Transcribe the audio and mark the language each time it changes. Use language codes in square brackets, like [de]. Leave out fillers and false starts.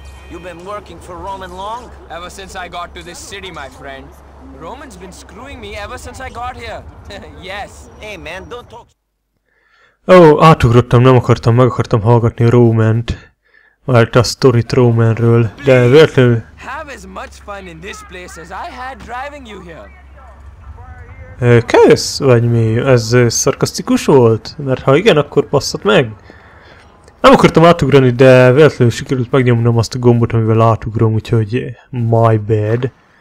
[en] You've been working for Roman long? Ever since I got to this city, my friend. Roman's been screwing me ever since I got here. Yes. Hey man, don't talk. [hu] Átugrottam, meg akartam hallgatni Roman-t. Mert a sztorit Roman-ről, de véletlenül... [en] Have as much fun in this place as I had driving you here. [hu] Kösz, vagy mi? Ez szarkasztikus volt? Mert ha igen, akkor passzott meg. Nem akartam átugrani, de véletlenül sikerült megnyomnom azt a gombot, amivel átugrom, úgyhogy [en] my bad.